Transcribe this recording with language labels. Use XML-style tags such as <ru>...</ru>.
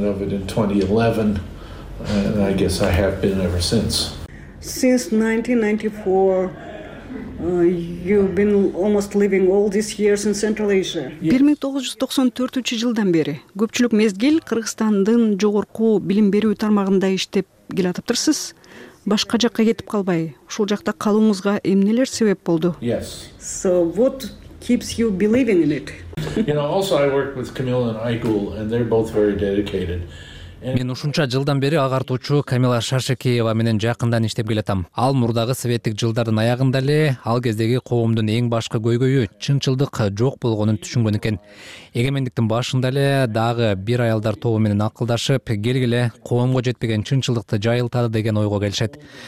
<en>And I guess I have been ever since. Since 1994, you've been almost living all these years in Central Asia.</en> <ky>1994 жылдан бери көпчүлүк мезгил Кыргызстандын жогорку билим берүү тармагында иштеп келатыпсыз. Башка жакка кетип калбай, ушул жакта калууңузга эмнелер себеп болду?</ky> <en>Yes. So what keeps you believing in it? You know, also I worked with Camille and Aigul and they're both very dedicated.</en> <ky>Мен ушунча жылдан бери агартуучу Камила Шашекеева менен жакындан иштеп келатам. Ал мурдагы советтик жылдардын аягында эле ал кездеги коомдун эң башкы көйгөйү чынчылдык жок болгонун түшүнгөн экен. Эгемендиктин башында эле дагы бир аялдар тобу менен акылдашып, келгиле коомго жетпеген чынчылдыкты жайылтады деген ойго келишет.</ky>